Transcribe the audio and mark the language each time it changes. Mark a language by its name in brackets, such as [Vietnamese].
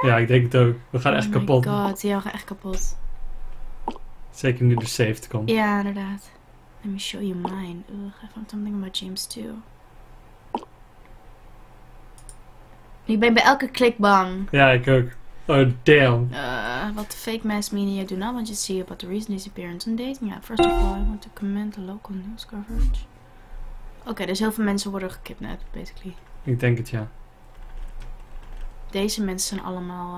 [Dutch] Ja, ik denk het ook. We gaan echt kapot. [English] Oh my god, [Dutch] ja, we gaan echt kapot. Zeker nu de safe komt. Ja, inderdaad. [English] Let me show you mine. Ugh, I found something about James too. [Dutch] Ik ben bij elke klik bang. Ja, ik ook. [English] Oh, damn. What the fake mass media do not want you to see about the recent disappearance on dating app. First of all, I want to comment the local news coverage. [Dutch] Oké, dus heel veel mensen worden gekidnapt, basically. Ik denk het, ja. Deze mensen zijn allemaal...